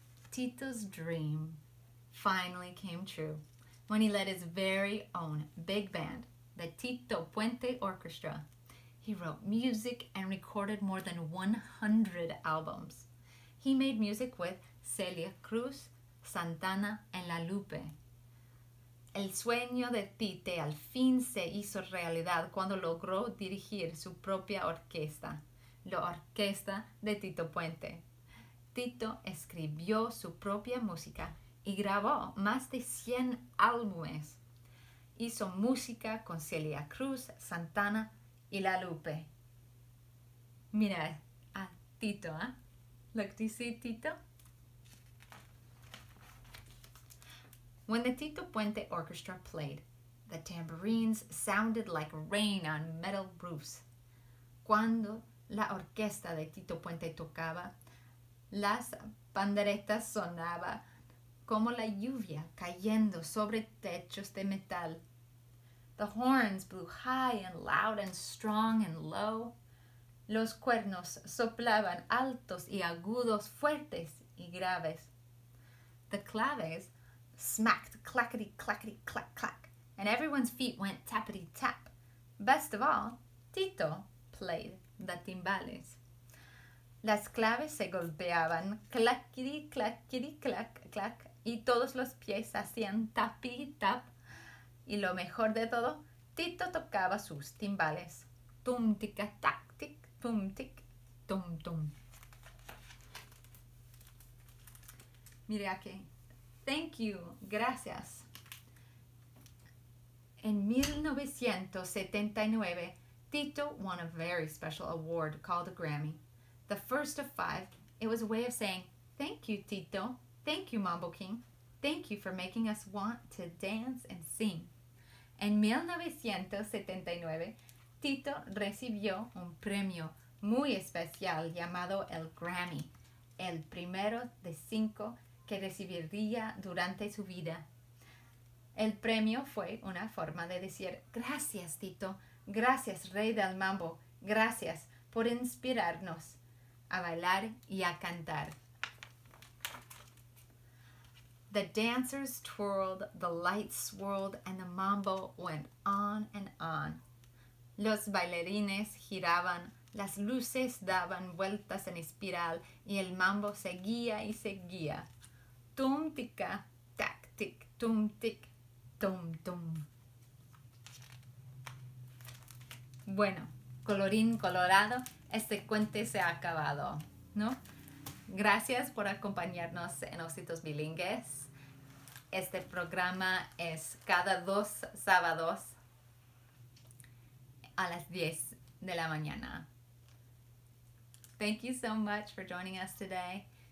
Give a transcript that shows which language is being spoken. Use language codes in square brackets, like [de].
[en] Tito's dream finally came true when he led his very own big band, the Tito Puente Orchestra. He wrote music and recorded more than 100 albums. He made music with Celia Cruz, Santana, and La Lupe. [es] El sueño de Tito al fin se hizo realidad cuando logró dirigir su propia orquesta, la orquesta de Tito Puente. Tito escribió su propia música y grabó más de 100 álbumes. Hizo música con Celia Cruz, Santana y La Lupe. Mira a Tito, ¿eh? [en] Look, do you see Tito? When the Tito Puente Orchestra played, the tambourines sounded like rain on metal roofs. [es] Cuando la orquesta de Tito Puente tocaba, las panderetas sonaban como la lluvia cayendo sobre techos de metal. [en] The horns blew high and loud and strong and low. [es] Los cuernos soplaban altos y agudos, fuertes y graves. [en] The claves smacked clackety clackety clack clack, and everyone's feet went tappity tap. Best of all, Tito played the timbales. [es] Las claves se golpeaban clackety clackety clack clack, y todos los pies hacían tappity tap. Y lo mejor de todo, Tito tocaba sus timbales. Tum tica tac. Tum tic, tum tum. Mire aquí. [en] Thank you. [es] Gracias. En [en] 1979, Tito won a very special award called a Grammy. The first of five, it was a way of saying, thank you, Tito. Thank you, Mambo King. Thank you for making us want to dance and sing. [es] En 1979, Tito recibió un premio muy especial llamado el Grammy, el primero de cinco que recibiría durante su vida. El premio fue una forma de decir, gracias Tito, gracias Rey del Mambo, gracias por inspirarnos a bailar y a cantar. [en] The dancers twirled, the lights swirled, and the mambo went on and on. [es] Los bailarines giraban, las luces daban vueltas en espiral y el mambo seguía y seguía. Tum tica, tac tic, tum tic, tum tum. Bueno, colorín colorado, este cuento se ha acabado, ¿no? Gracias por acompañarnos en Ositos Bilingües. Este programa es cada dos sábados a las 10 de la mañana. [en] Thank you so much for joining us today.